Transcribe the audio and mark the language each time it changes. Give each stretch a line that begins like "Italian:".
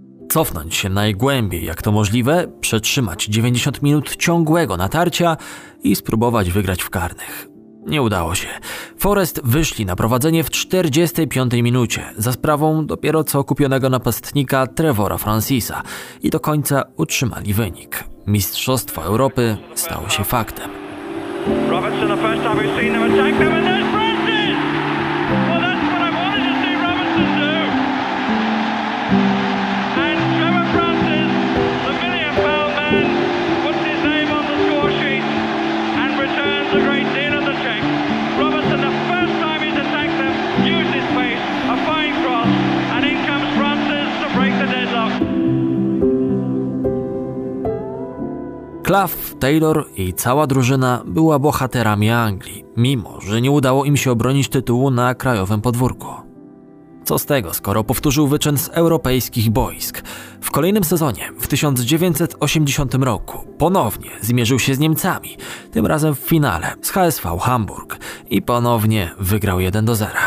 Polish: Cofnąć się najgłębiej jak to możliwe, przetrzymać 90 minut ciągłego natarcia i spróbować wygrać w karnych. Nie udało się. Forest wyszli na prowadzenie w 45 minucie za sprawą dopiero co kupionego napastnika Trevora Francisa i do końca utrzymali wynik. Mistrzostwo Europy stało się faktem.
English: Robertson, the first time we've seen them attack them, and there's Francis! Well, that's what I wanted to see Robertson do. And Trevor Francis, the £1 million man, puts his name on the score sheet and returns a great deal of the cheque. Robertson, the first time he's attacked them, used his pace, a fine cross, and in comes Francis to break the deadlock.
Polish: Clough, Taylor i cała drużyna była bohaterami Anglii, mimo że nie udało im się obronić tytułu na krajowym podwórku. Co z tego, skoro powtórzył wyczyn z europejskich boisk? W kolejnym sezonie, w 1980 roku, ponownie zmierzył się z Niemcami, tym razem w finale z HSV Hamburg i ponownie wygrał 1-0.